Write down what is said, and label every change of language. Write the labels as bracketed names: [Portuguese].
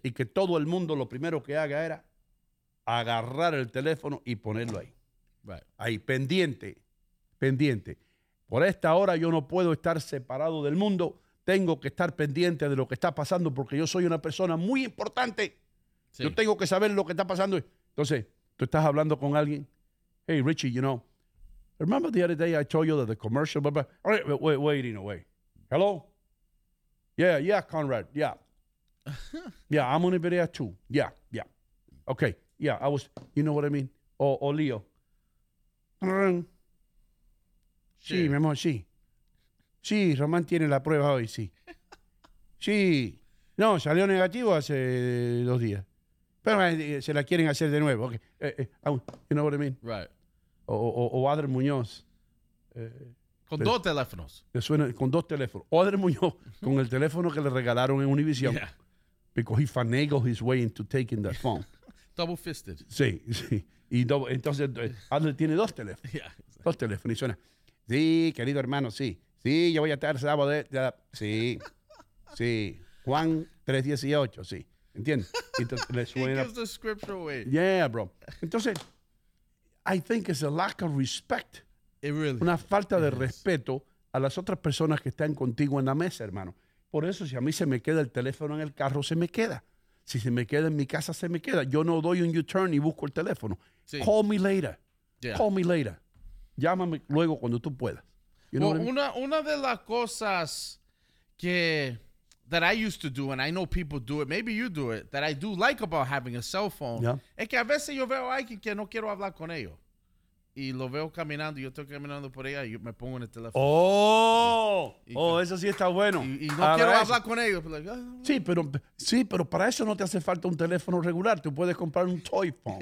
[Spanish] Y que todo el mundo lo primero que haga era agarrar el teléfono y ponerlo ahí. [English] Right. [Spanish] Ahí, pendiente. Por esta hora yo no puedo estar separado del mundo. Tengo que estar pendiente de lo que está pasando porque yo soy una persona muy importante. Sí. Yo tengo que saber lo que está pasando. Entonces, tú estás hablando con alguien. [English] Hey, Richie, you know, remember the other day I told you that the commercial... Wait. Hello? Yeah, Conrad, yeah. Yeah, I'm on a video too. Yeah. Okay, yeah, I was... You know what I mean? Or Leo. [Spanish] Sí, mi amor, sí. Sí, Román tiene la prueba hoy, sí. Sí. No, salió negativo hace 2 días. Pero se la quieren hacer de nuevo. Okay. [English] You know what I mean? Right. [Spanish] O Adler Muñoz. Con dos teléfonos. Suena, con dos teléfonos. O Adler Muñoz con el teléfono que le regalaron en Univision. [English] Yeah. Because he finagled his way into taking that phone. Double fisted. [Spanish] Sí, sí. Y entonces Adler tiene dos teléfonos. [English] Yeah, exactly. [Spanish] Dos teléfonos. Y suena. Sí, querido hermano, sí. Sí, yo voy a estar sábado. Sí. Sí. Juan 3:18, sí. ¿Entiendes? Entonces, le suena. [English] He gives the scripture away. Yeah, bro. Entonces, I think it's a lack of respect. It really [Spanish] una [English] is. [Spanish] Falta de it respeto is. A las otras personas que están contigo en la mesa, hermano. Por eso, si a mí se me queda el teléfono en el carro, se me queda. Si se me queda en mi casa, se me queda. Yo no doy un U-turn y busco el teléfono. Sí. [English] Call me later. Yeah. Call me later. [Spanish] Llámame luego cuando tú puedas. [English] You know well, [Spanish] una de las cosas que... [English] That I used to do, and I know people do it, maybe you do it, that I do like about having a cell phone, yeah. [Spanish] Es que a veces yo veo a alguien que no quiero hablar con ellos. Y lo veo caminando, yo estoy caminando por ella, y yo me pongo en el teléfono. Oh, eso sí está bueno. Y no quiero hablar con ellos. Pero like, oh. Sí, pero para eso no te hace falta un teléfono regular. Tú puedes comprar un toy phone.